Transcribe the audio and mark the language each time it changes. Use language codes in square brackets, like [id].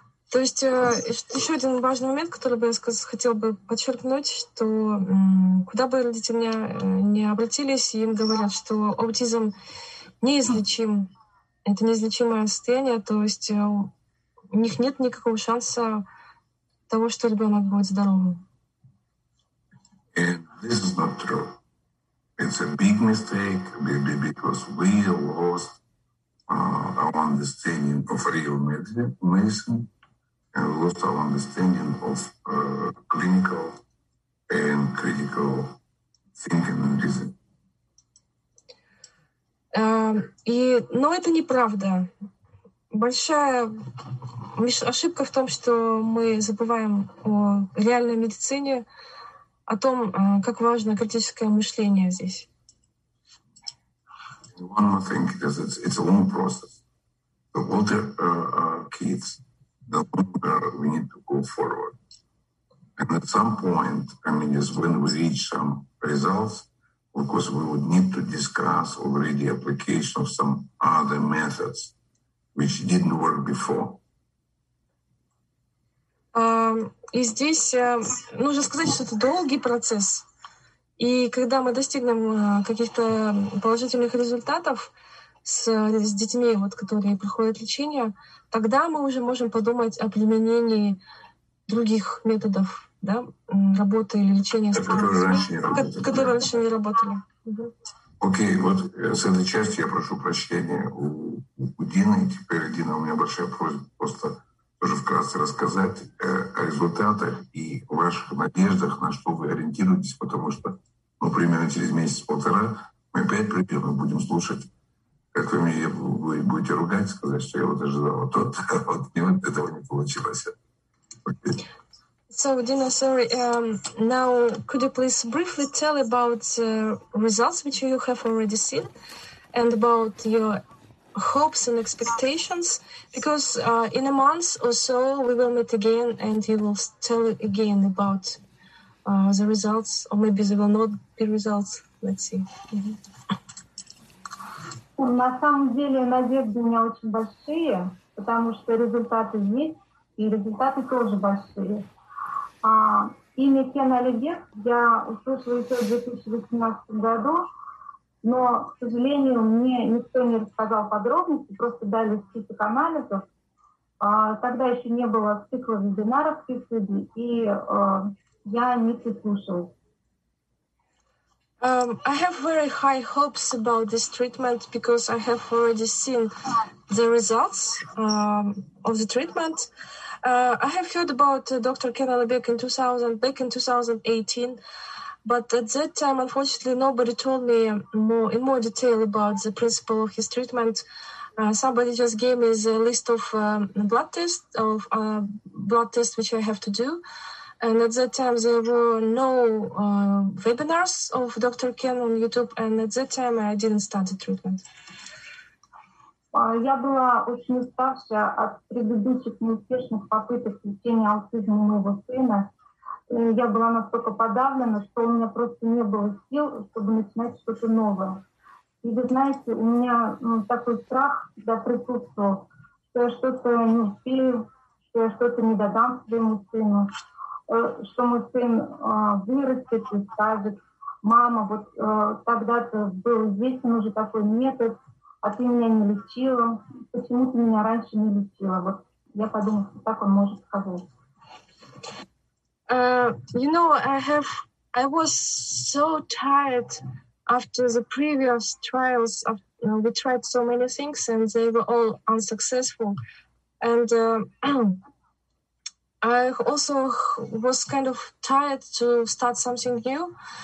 [ru] То есть еще один важный момент, который бы я хотела бы подчеркнуть, что куда бы родители меня не обратились, им говорят, что аутизм неизлечим, это неизлечимое состояние, то есть у них нет никакого шанса того, что ребенок будет здоровым. [en] And this is not true. It's a big mistake, maybe because we lost our understanding of real medicine. And lost our understanding of clinical and critical thinking and reason. [ru] Но это неправда. Большая ошибка в том, что мы забываем о реальной медицине, о том, как важно критическое мышление здесь. [en] One more thing, because it's a long process. The older kids, the longer we need to go forward. And at some point, I mean, is when we reach some results, of course, we would need to discuss already application of some other methods which didn't work before. [ru] И здесь нужно сказать, что это долгий процесс. И когда мы достигнем каких-то положительных результатов с детьми, вот, которые проходят лечение, тогда мы уже можем подумать о применении других методов, да, работы или лечения, которые раньше не работали. Окей, вот с этой части я прошу прощения у Дины. Теперь, Дина, у меня большая просьба просто тоже вкратце рассказать о результатах и ваших надеждах, на что вы ориентируетесь, потому что, ну, примерно через месяц-полтора мы опять примерно будем слушать, как вы меня будете ругать, сказать, что я вот ожидал, а тот, вот этого не получилось. [en] Okay. So, Dina, sorry. Now, could you please briefly tell about the results which you have already seen, and about your hopes and expectations, because in a month or so we will meet again and you will tell again about the results, or maybe there will not be results. Let's see. Mm-hmm. [ru] На самом деле надежды у меня очень большие, потому что результаты есть, и результаты тоже большие. Имя Кена Алибек я услышала еще в 2018 году, но, к сожалению, мне никто не рассказал подробности, просто дали список анализов. Тогда еще не было цикла вебинаров в TPC, и я не прислушалась. [en] I have very high hopes about this treatment because I have already seen the results of the treatment. I have heard about Dr. Ken Alibek back in 2018, but at that time, unfortunately, nobody told me in more detail about the principle of his treatment. Somebody just gave me the list of blood tests which I have to do. And at that time, there were no webinars of Dr. Ken on YouTube, and at that time, I didn't start the treatment. [ru] Я была очень уставшая от предыдущих неуспешных попыток лечения аутизма моего сына. Я была настолько подавлена, что у меня просто не было сил, чтобы начинать что-то новое. И вы знаете, у меня такой страх всегда присутствовал, что я что-то не успею, что я что-то не додам своему сыну, что мой сын вырастет и скажет: «Мама, вот тогда-то был известен уже такой метод, а ты меня не лечила, почему ты меня раньше не лечила?» Вот я подумала, что так он может сказать. [en] You know, I was so tired after the previous trials. We tried so many things and they were all unsuccessful. And I also was kind of tired to start something new.